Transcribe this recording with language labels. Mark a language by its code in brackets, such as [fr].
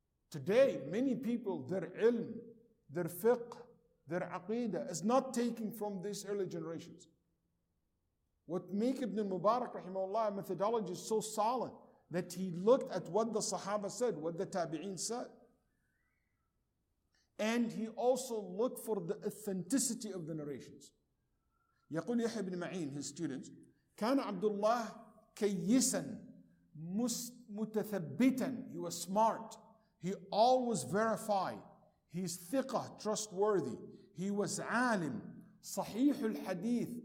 [en] Today, many people, their ilm, their fiqh, their aqidah is not taken from these early generations. What make Ibn Mubarak, rahimahullah, methodology is so solid that he looked at what the Sahaba said, what the Tabi'een said. And he also looked for the authenticity of the narrations. [ar] يقول يحيى بن معين, [en] his students, [ar] كان عبد الله كيسا متثبتا. [en] He was smart. He always verified. He is ثقة, trustworthy. He was عالم, [ar] صحيح الحديث.